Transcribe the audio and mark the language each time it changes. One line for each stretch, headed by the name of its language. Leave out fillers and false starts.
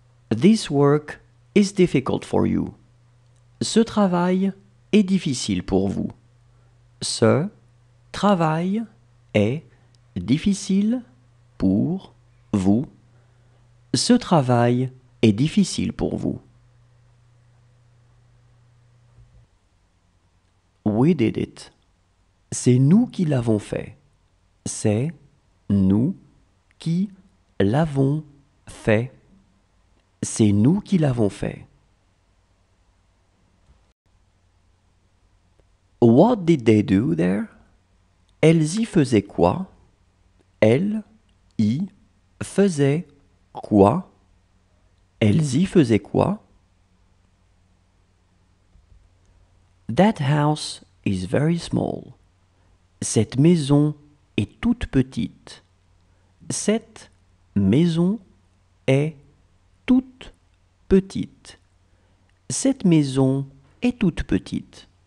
English: This work is difficult for you.
French: Ce travail est difficile pour vous. Ce travail est difficile pour vous. Ce travail est difficile pour vous.
English: We did it.
French: C'est nous qui l'avons fait. C'est nous qui l'avons fait. C'est nous qui l'avons fait.
English: What did they do there?
French: Elles y faisaient quoi? Elles y faisaient quoi? Elles y faisaient quoi?
English: That house is very small.
French: Cette maison est toute petite. Cette maison est toute petite. Cette maison est toute petite.